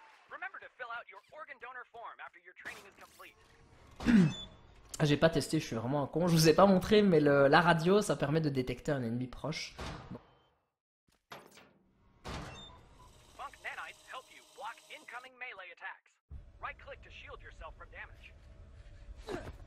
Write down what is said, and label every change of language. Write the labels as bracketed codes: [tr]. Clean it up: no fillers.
[en] Remember to fill out your organ donor form after your training is complete. [fr] J'ai pas testé, je suis vraiment un con. Je vous ai pas montré, mais la radio, ça permet de détecter un ennemi proche. Bon. [en] Funk nanites help you block incoming melee attacks. Right click to shield yourself from damage.